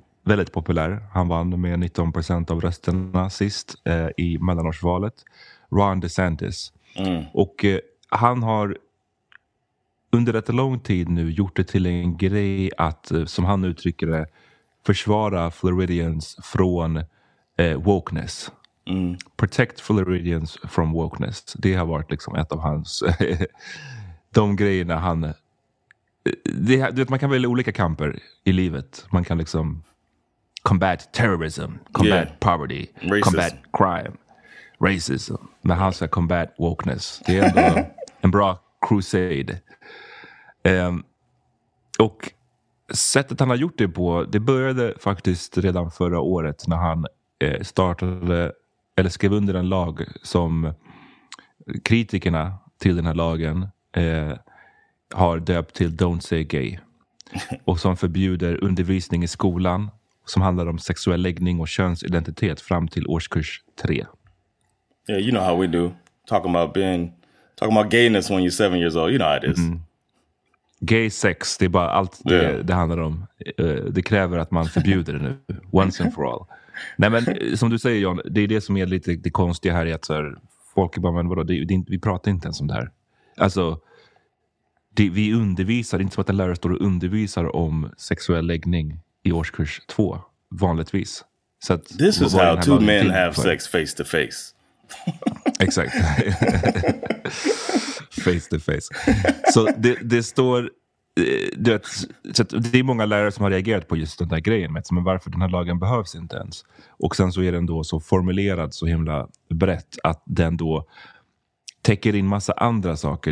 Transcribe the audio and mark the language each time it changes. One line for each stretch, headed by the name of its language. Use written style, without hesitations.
Swedish: väldigt populär. Han vann med 19% av rösterna sist i mellanårsvalet. Ron DeSantis. Mm. Och han har under rätt lång tid nu gjort det till en grej att, som han uttrycker det, försvara Floridians från wokeness. Mm.
English: Protect Floridians from wokeness.
Swedish: Det har varit liksom ett av hans de grejerna han, det, du vet, man kan välja olika kamper i livet. Man kan liksom
English: combat terrorism, combat poverty, racism, combat crime, racism.
Swedish: Men han ska
English: combat wokeness.
Swedish: Det är ändå en bra crusade. Och sättet han har gjort det på, det började faktiskt redan förra året när han startade eller skrev under en lag som kritikerna till den här lagen har döpt till Don't Say Gay. Och som förbjuder undervisning i skolan som handlar om sexuell läggning och könsidentitet fram till årskurs 3.
English: Yeah, you know how we do. Talking about gayness when you're 7 years old. You know how it is. Mm-hmm. Gay sex,
Swedish: det är bara allt det, det handlar om. Det kräver att man förbjuder det nu.
English: Once and for all.
Swedish: Nej, men som du säger, John, det är det som är lite det konstiga här, att så här, folk är bara, men vadå, vi pratar inte ens om det här. Alltså, vi undervisar, det är inte som att en lärare står och undervisar om sexuell läggning i årskurs 2, vanligtvis. Så att,
English: this is how two men have sex face to face.
Swedish: Exakt.
English: Face to face.
Swedish: Så det står, du vet, så det är många lärare som har reagerat på just den där grejen med, men varför den här lagen behövs inte ens. Och sen så är den då så formulerad så himla brett att den då täcker in massa andra saker.